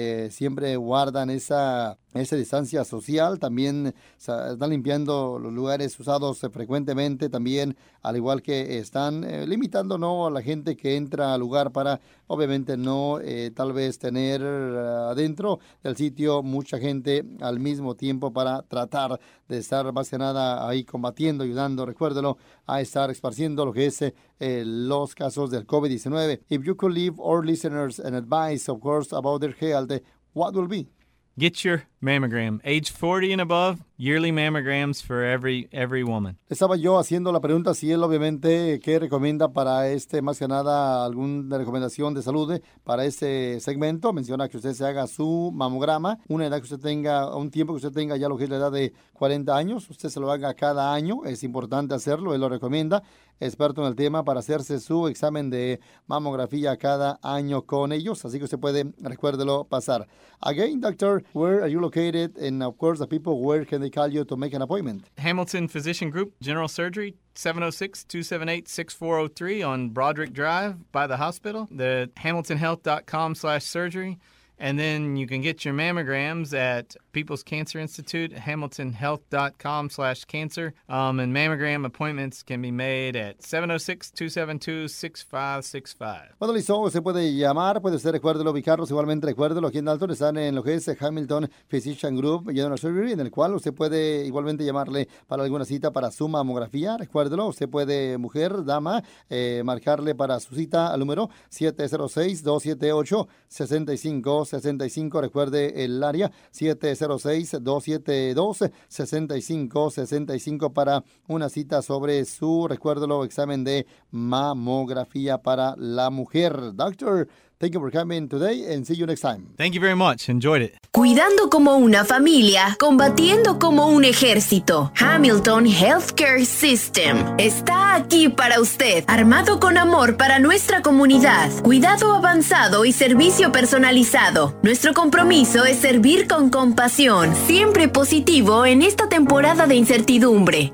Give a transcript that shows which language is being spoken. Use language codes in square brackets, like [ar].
[es] siempre guardan esa distancia social, también están limpiando los lugares usados frecuentemente también, al igual que están limitando, ¿no?, a la gente que entra al lugar para obviamente no tal vez tener adentro del sitio mucha gente al mismo tiempo para tratar de estar más que nada ahí combatiendo, ayudando, recuérdelo, a estar esparciendo lo que es los casos del COVID-19. [en] If you could leave our listeners an advice, of course, about their health, what will be? Get your mammogram, age 40 and above, yearly mammograms for every woman. [es] Estaba yo haciendo la pregunta si él obviamente qué recomienda para este, más que nada, alguna recomendación de salud para este segmento. Menciona que usted se haga su mamograma, una edad que usted tenga, un tiempo que usted tenga ya lo que es la edad de 40 años, usted se lo haga cada año, es importante hacerlo, él lo recomienda, experto en el tema, para hacerse su examen de mamografía cada año con ellos, así que usted puede, recuérdelo, pasar. [en] Again, doctor, where are you located? And of course, the people, where can they call you to make an appointment? Hamilton Physician Group, General Surgery, 706-278-6403 on Broderick Drive by the hospital. The hamiltonhealth.com/surgery. And then you can get your mammograms at People's Cancer Institute, hamiltonhealth.com/cancer. And mammogram appointments can be made at 706-272-6565. [es] Bueno, listo. Se puede llamar. Puede usted, recuérdelo, ubicarlos. Igualmente, recuérdelo, aquí en Dalton están en lo que es Hamilton Physician Group, General Surgery, en el cual usted puede igualmente llamarle para alguna cita para su mamografía. Recuérdelo, usted puede, mujer, dama, marcarle para su cita al número 706-278-6565. Recuerde el área 706-272-6565 para una cita sobre su, recuérdelo, examen de mamografía para la mujer. [en] Doctor, thank you for coming today and see you next time. Thank you very much. Enjoyed it. [es] Cuidando como una familia, combatiendo como un ejército. Hamilton Healthcare System está aquí para usted, armado con amor para nuestra comunidad. Cuidado avanzado y servicio personalizado. Nuestro compromiso es servir con compasión, siempre positivo en esta temporada de incertidumbre.